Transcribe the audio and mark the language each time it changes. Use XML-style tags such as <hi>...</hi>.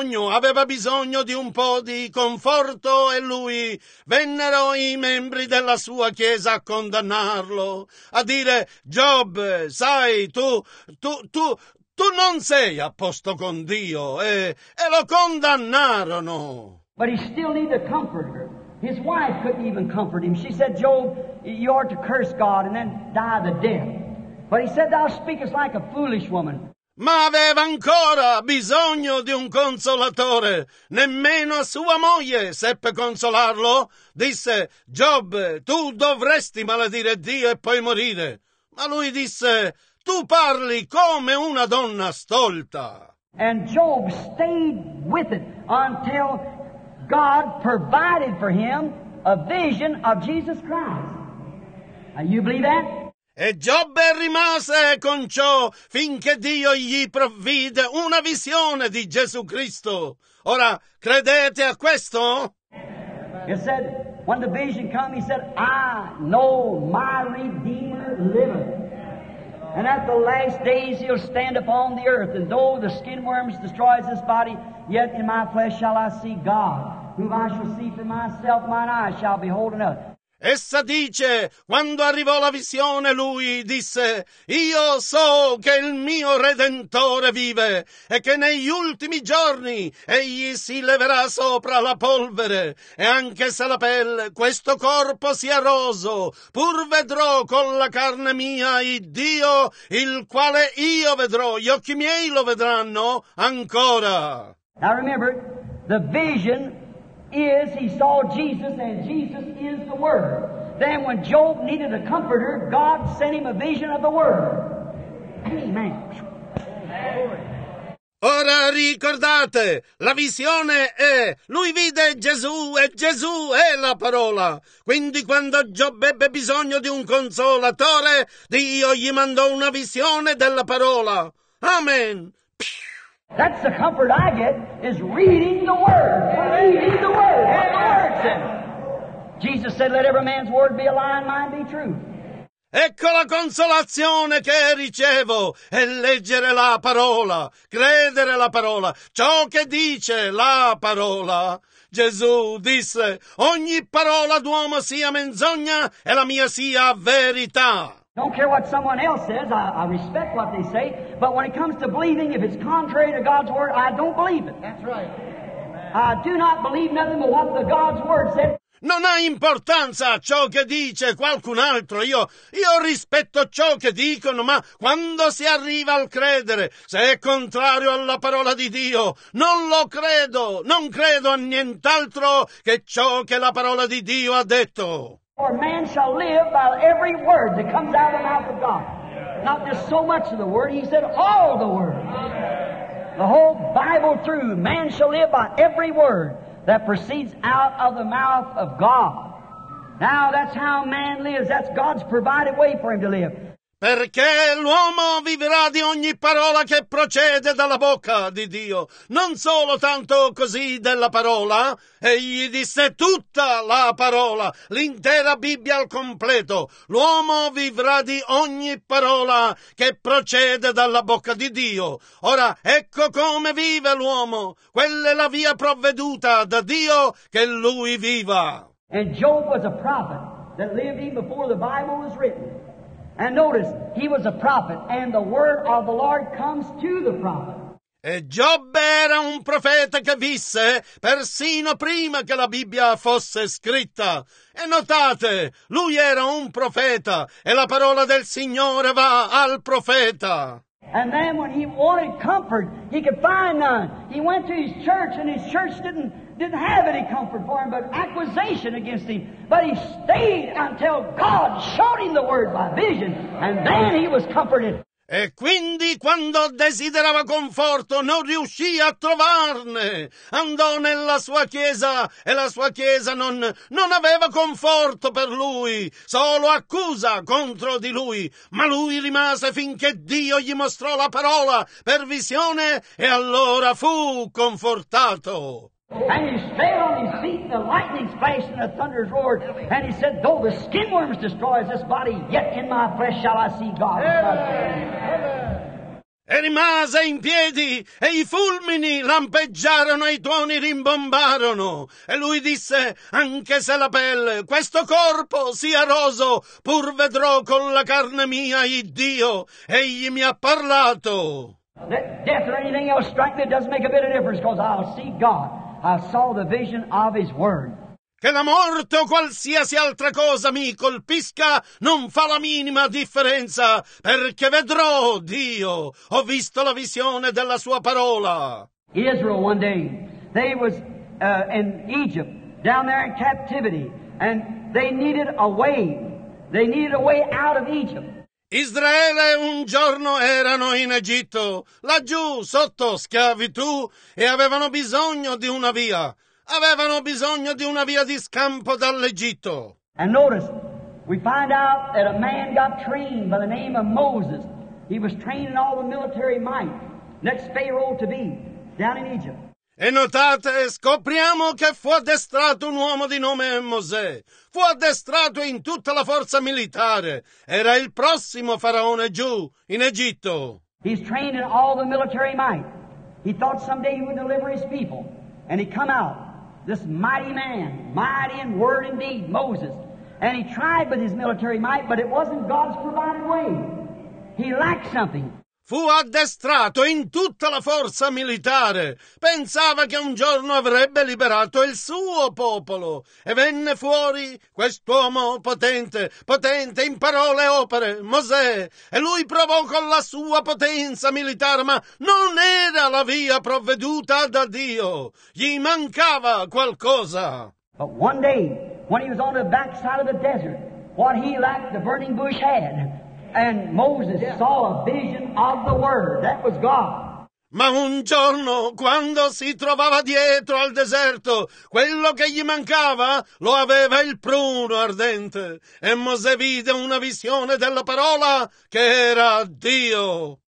<it>Aveva bisogno di un po' di conforto e lui vennero i membri della sua chiesa a condannarlo, a dire: Job, sai, tu non sei a posto con Dio, e lo condannarono.</it> <en>But he still needed a comforter. His wife couldn't even comfort him. She said, Job, you ought to curse God and then die the death. But he said, thou speakest like a foolish woman.</en> <it>Ma aveva ancora bisogno di un consolatore. Nemmeno sua moglie seppe consolarlo. Disse, Job, tu dovresti maledire Dio e poi morire. Ma lui disse, tu parli come una donna stolta.</it> <en>And Job stayed with it until God provided for him a vision of Jesus Christ. Now, you believe that?</en> <it>E Giobbe rimase con ciò finché Dio gli provvide una visione di Gesù Cristo. Ora, credete a questo?</it> <en>He said, when the vision came, he said, I know my Redeemer liveth. And at the last days he'll stand upon the earth. And though the skin worms destroys his body, yet in my flesh shall I see God, whom I shall see for myself, mine eyes shall behold another.</en> <it>Essa dice, quando arrivò la visione, lui disse, io so che il mio Redentore vive e che negli ultimi giorni egli si leverà sopra la polvere e anche se la pelle, questo corpo sia roso, pur vedrò con la carne mia il Dio, il quale io vedrò, gli occhi miei lo vedranno ancora.</it> <en>Now remember, the vision is he saw Jesus, and Jesus is the Word. Then when Job needed a comforter, God sent him a vision of the Word. Amen.</en> <it>Ora ricordate, la visione è, lui vide Gesù e Gesù è la parola. Quindi quando Giobbe ebbe bisogno di un consolatore, Dio gli mandò una visione della parola. Amen.</it> <en>That's the comfort I get, is reading the Word. Reading the Word. What the Word said. Jesus said, let every man's word be a lie and mine be true.</en> <it>Ecco la consolazione che ricevo, è leggere la parola, credere la parola, ciò che dice la parola. Gesù disse, ogni parola d'uomo sia menzogna e la mia sia verità.</it> <en>Don't care what someone else says, I respect what they say, but when it comes to believing, if it's contrary to God's word, I don't believe it. That's right. Amen. I do not believe nothing but what the God's word said.</en> <it>Non ha importanza ciò che dice qualcun altro, io rispetto ciò che dicono, ma quando si arriva al credere, se è contrario alla parola di Dio, non lo credo, non credo a nient'altro che ciò che la parola di Dio ha detto.</it> <en>For man shall live by every word that comes out of the mouth of God. Not just so much of the Word, he said all the Word. The whole Bible through, man shall live by every word that proceeds out of the mouth of God. Now that's how man lives. That's God's provided way for him to live.</en> <it>Perché l'uomo vivrà di ogni parola che procede dalla bocca di Dio, non solo tanto così della parola, egli disse tutta la parola, l'intera Bibbia al completo, l'uomo vivrà di ogni parola che procede dalla bocca di Dio. Ora, ecco come vive l'uomo, quella è la via provveduta da Dio che lui viva.</it> <en>And Job was a prophet that lived even before the Bible was written. And notice, he was a prophet, and the word of the Lord comes to the prophet.</en> <it>E Giobbe era un profeta che visse persino prima che la Bibbia fosse scritta. E notate, lui era un profeta, e la parola del Signore va al profeta.</it> <en>And then when he wanted comfort, he could find none. He went to his church, and his church didn't have any comfort for him, but accusation against him. But he stayed until God showed him the word by vision, and then he was comforted.</en> <it>E quindi quando desiderava conforto non riuscì a trovarne. Andò nella sua chiesa e la sua chiesa non aveva conforto per lui, solo accusa contro di lui. Ma lui rimase finché Dio gli mostrò la parola per visione e allora fu confortato.</it> <en>And he stayed on his feet, and the lightning flashed, and the thunders roared. And he said, though the skin worms destroys this body, yet in my flesh shall I see God.</en> <it>E rimase in piedi, e i fulmini lampeggiarono, e i tuoni rimbombarono. E lui disse, anche se la pelle, questo corpo sia roso, pur vedrò con la carne mia il Dio. Egli mi ha parlato.</it> <en>Death or anything else strike me, it doesn't make a bit of difference, because I'll see God. I saw the vision of his word.</en> <it>Che la morte o qualsiasi altra cosa mi colpisca non fa la minima differenza, perché vedrò Dio. Ho visto la visione della sua parola.</it> <en>Israel one day, they was in Egypt, down there in captivity, and they needed a way. They needed a way out of Egypt.</en> <it>Israele un giorno erano in Egitto, laggiù sotto schiavitù, e avevano bisogno di una via. Avevano bisogno di una via di scampo dall'Egitto.</it> <en>And notice, we find out that a man got trained by the name of Moses. He was trained in all the military might, next Pharaoh to be, down in Egypt.</en> <it>E notate, scopriamo che fu addestrato un uomo di nome Mosè. Fu addestrato in tutta la forza militare. Era il prossimo faraone giù, in Egitto.</it> <en>He's trained in all the military might. He thought someday he would deliver his people. And he come out, this mighty man, mighty in word and deed, Moses. And he tried with his military might, but it wasn't God's provided way. He lacked something.</en> <it>Fu addestrato in tutta la forza militare. Pensava che un giorno avrebbe liberato il suo popolo. E venne fuori quest'uomo potente, potente in parole e opere, Mosè. E lui provò con la sua potenza militare, ma non era la via provveduta da Dio. Gli mancava qualcosa.</it> <en>But one day, when he was on the back side of the desert, what he lacked, the burning bush had. And Moses saw a vision of the word. That was God.</en> <it>Ma un giorno, quando si trovava dietro al deserto, quello che gli mancava lo aveva il pruno ardente. E Mosè vide una visione della parola che era Dio.</it>